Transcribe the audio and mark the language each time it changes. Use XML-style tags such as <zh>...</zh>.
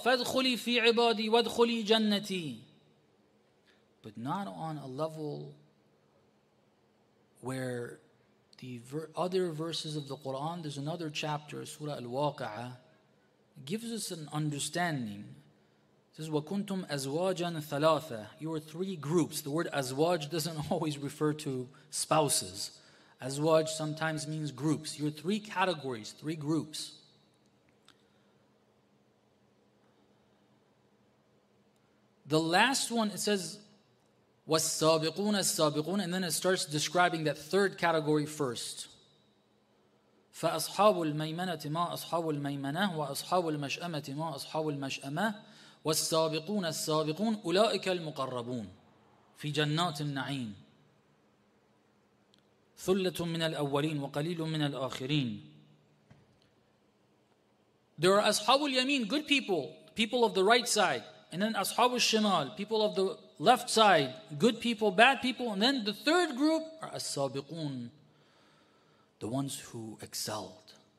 <ar>فَادْخُلِي فِي عِبَادِي وَادْخُلِي جَنَّتِي.</ar> <en>But not on a level where the other verses of the Quran, there's another chapter, Surah Al-Waqi'ah, gives us an understanding. This is</en> <ar>وَكُنْتُمْ أَزْوَاجًا ثَلَاثًا.</ar> <en>You are three groups. The word أزواج doesn't always refer to spouses. أزواج sometimes means groups. You are three categories, three groups. The last one, it says</en> <ar>وَالسَّابِقُونَ السَّابِقُونَ,</ar> <en>and then it starts describing that third category first.</en> <ar>فَأَصْحَابُ الْمَيْمَنَةِ مَا أَصْحَابُ الْمَيْمَنَةِ وَأَصْحَابُ الْمَشْأَمَةِ مَا أَصْحَابُ الْمَشْأَمَةِ والسابقون السابقون أولئك المقربون في جنات النعيم ثلة من الأولين وقليل من الآخرين</ar> <en>There are Ashabul Yameen, good people, people of the right side. And then Ashabul Shimal, people of the left side, good people, bad people. And then the third group are As-Sabiqoon, the ones who excelled.</en>